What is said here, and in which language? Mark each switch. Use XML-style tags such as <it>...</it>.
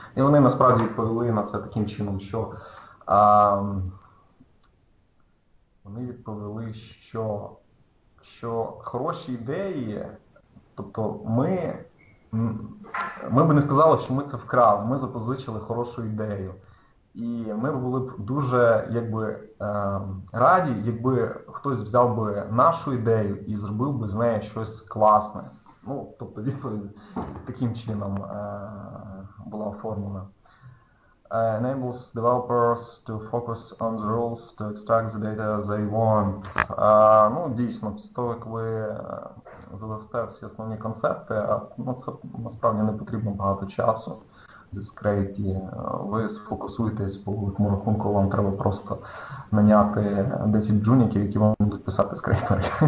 <uk>І вони насправді відповіли на це таким чином, що вони відповіли, що хороші ідеї, тобто ми би не сказали, що ми це вкрали, ми запозичили хорошу ідею. І ми були б дуже, раді, якби хтось взяв би нашу ідею і зробив би з неї щось класне. Ну, тобто відповідь таким чином була оформлена.</uk> <en>Enables developers to focus on the rules to extract the data they want.</en> <uk>Ну, дійсно, після того, як ви задасте всі основні концепти, ну, це насправді не потрібно багато часу зі Scrapy. Ви сфокусуєтесь, по великому рахунку, вам треба просто наняти 10 джуніків, які вам будуть писати скрейпери.</uk>